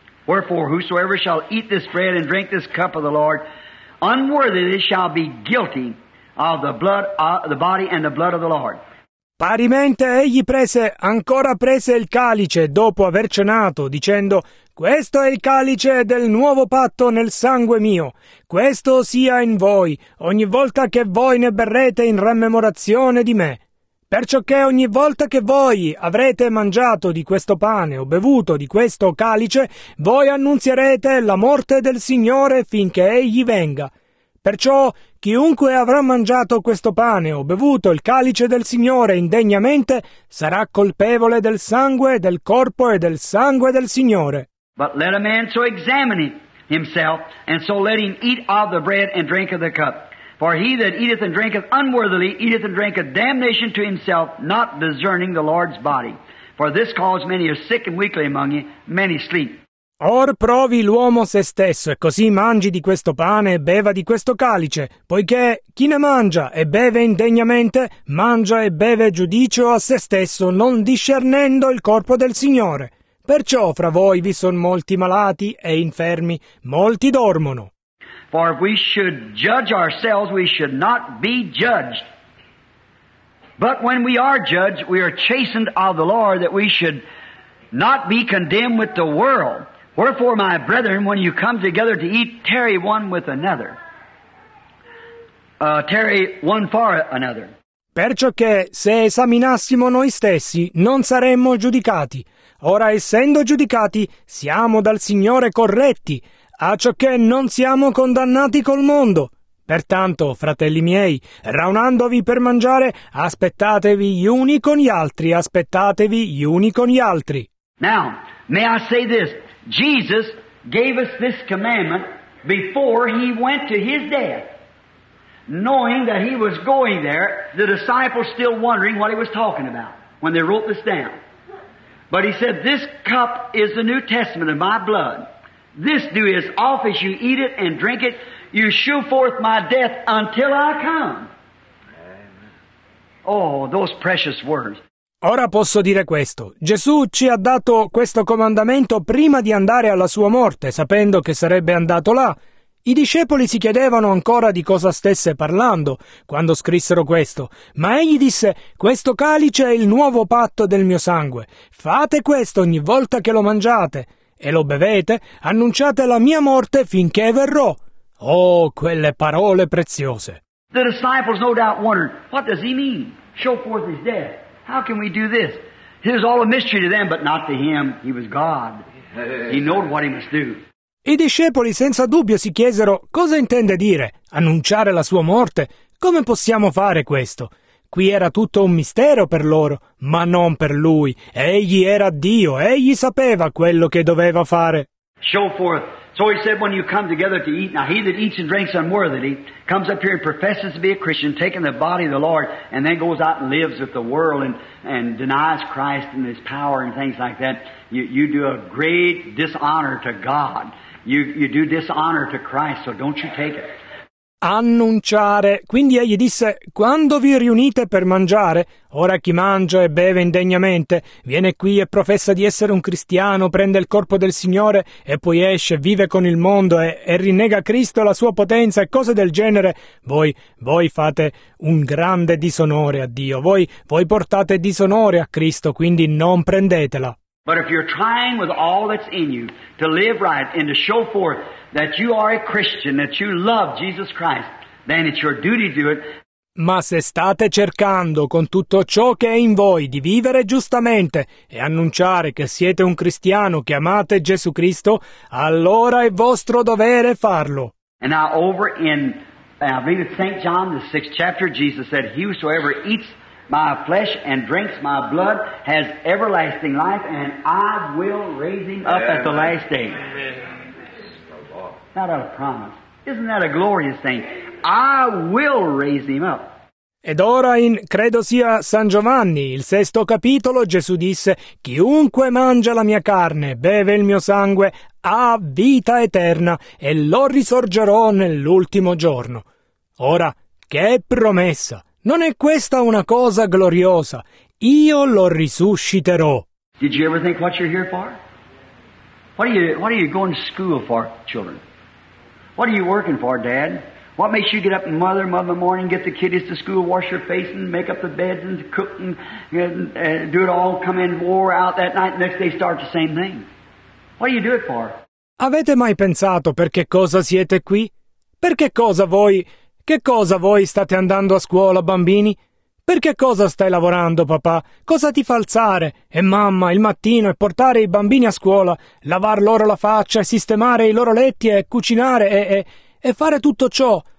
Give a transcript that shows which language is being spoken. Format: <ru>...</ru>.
<en>Wherefore, whosoever shall eat this bread and drink this cup of the Lord, unworthily shall be guilty of the blood, the body and the blood of the Lord.</en> <it>Parimente egli prese, ancora prese il calice, dopo aver cenato, dicendo, Questo è il calice del nuovo patto nel sangue mio. Questo sia in voi, ogni volta che voi ne berrete in rammemorazione di me. Perciò che ogni volta che voi avrete mangiato di questo pane o bevuto di questo calice, voi annunzierete la morte del Signore finché egli venga. Perciò chiunque avrà mangiato questo pane o bevuto il calice del Signore indegnamente sarà colpevole del sangue, del corpo e del sangue del Signore.</it> <en>But let a man so examine himself, and so let him eat of the bread and drink of the cup. For he that eateth and drinketh unworthily eateth and drinketh damnation to himself, not discerning the Lord's body. For this cause many are sick and weakly among you, many sleep.</en> <it>Or provi l'uomo se stesso, e così mangi di questo pane e beva di questo calice, poiché chi ne mangia e beve indegnamente, mangia e beve giudicio a se stesso, non discernendo il corpo del Signore. Perciò fra voi vi sono molti malati e infermi, molti dormono.</it> <en>For if we should judge ourselves, we should not be judged. But when we are judged, we are chastened of the Lord, that we should not be condemned with the world. Wherefore, my brethren, when you come together to eat, tarry one with another. Tarry one for another.</en> <it>Perciò che, se esaminassimo noi stessi, non saremmo giudicati. Ora, essendo giudicati, siamo dal Signore corretti, a ciò che non siamo condannati col mondo. Pertanto, fratelli miei, raunandovi per mangiare, aspettatevi gli uni con gli altri, aspettatevi gli uni con gli altri.</it> <en>Now, may I say this? Jesus gave us this commandment before he went to his death, knowing that he was going there, the disciples still wondering what he was talking about when they wrote this down. But he said, This cup is the New Testament of my blood. This do as oft as you eat it and drink it, you shew forth my death until I come. Oh, those precious words.</en> <it>Ora posso dire questo. Gesù ci ha dato questo comandamento prima di andare alla sua morte, sapendo che sarebbe andato là. I discepoli si chiedevano ancora di cosa stesse parlando quando scrissero questo, ma egli disse, «Questo calice è il nuovo patto del mio sangue. Fate questo ogni volta che lo mangiate e lo bevete, annunciate la mia morte finché verrò». Oh, quelle parole preziose!</it> <en>The disciples no doubt wondered, what does he mean? Show forth his death. How can we do this? It was all a mystery to them, but not to him. He was God. He knew what he must do.</en> <it>I discepoli senza dubbio si chiesero cosa intende dire annunciare la sua morte? Come possiamo fare questo? Qui era tutto un mistero per loro, ma non per lui. Egli era Dio, egli sapeva quello che doveva fare.</it> <en>show forth. So he said, when you come together to eat, now he that eats and drinks unworthily comes up here and professes to be a Christian, taking the body of the Lord, and then goes out and lives with the world and denies Christ and his power and things like that, you do a great dishonor to God. You do dishonor to Christ, so don't you take it.</en> <it>Annunciare. Quindi egli disse, quando vi riunite per mangiare, ora chi mangia e beve indegnamente, viene qui e professa di essere un cristiano, prende il corpo del Signore e poi esce, vive con il mondo e rinnega Cristo, la sua potenza e cose del genere, voi fate un grande disonore a Dio, voi portate disonore a Cristo, quindi non prendetela.</it> <en>But if you're trying with all that's in you to live right and to show forth that you are a Christian, that you love Jesus Christ, then it's your duty to do it.</en> <it>Ma se state cercando con tutto ciò che è in voi di vivere giustamente e annunciare che siete un cristiano, che amate Gesù Cristo, allora è vostro dovere farlo.</it> <en>And now over in, I believe it's St. John, the 6th chapter, Jesus said, he whosoever eats my flesh and drinks my blood has everlasting life, and I will raise him up at the last day. Not a promise. Isn't that a glorious thing? I will raise him up.</en> <it>Ed ora in, credo sia San Giovanni, il 6th capitolo, Gesù disse, chiunque mangia la mia carne, beve il mio sangue, ha vita eterna, e lo risorgerò nell'ultimo giorno. Ora, che promessa! Non è questa una cosa gloriosa? Io lo risusciterò.</it> <en>Did you ever think what you're here for? What are you going to school for, children? What are you working for, Dad? What makes you get up mother morning, get the kiddies to school, wash your face and make up the beds and cook and do it all, come in wore out that night, next day start the same thing? What do you do it for?</en> <it>Avete mai pensato per che cosa siete qui? Per che cosa voi... Che cosa voi state andando a scuola, bambini? Per che cosa stai lavorando, papà? Cosa ti fa alzare? E mamma, il mattino, e portare i bambini a scuola, lavar loro la faccia, e sistemare i loro letti, e cucinare, e fare tutto ciò.</it>